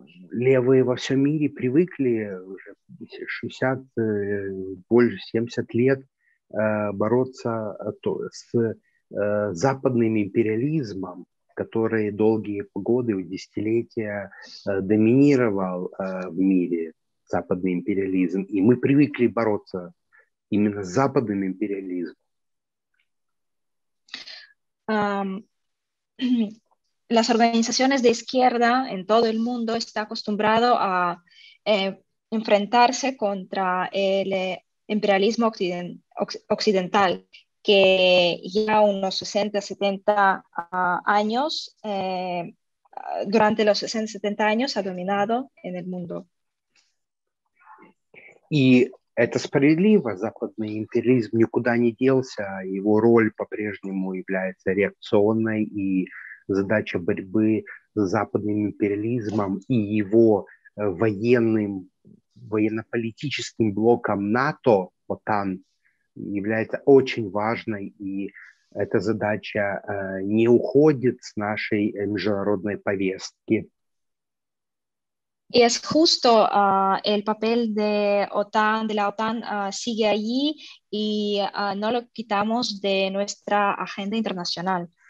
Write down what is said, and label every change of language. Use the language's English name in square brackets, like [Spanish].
[Russian] Левые во всем мире привыкли уже 60, больше 70 лет бороться с западным империализмом, который долгие годы, десятилетия доминировал в мире, западный империализм. И мы привыкли бороться именно с западным империализмом. [Spanish] Las organizaciones de izquierda en todo el mundo están acostumbrados a enfrentarse contra el imperialismo occidental, que ya unos 60, 70 años, durante los 60, 70 años ha dominado en el mundo. Y [Russian] это справедливо, западный империализм никуда не делся, его роль по-прежнему является реакционной, и задача борьбы с западным империализмом и его военным, военно-политическим блоком НАТО, ОТАН, является очень важной, и эта задача не уходит с нашей международной повестки. [Spanish] Y es justo el papel de OTAN, de la OTAN sigue allí y no lo quitamos de nuestra agenda internacional.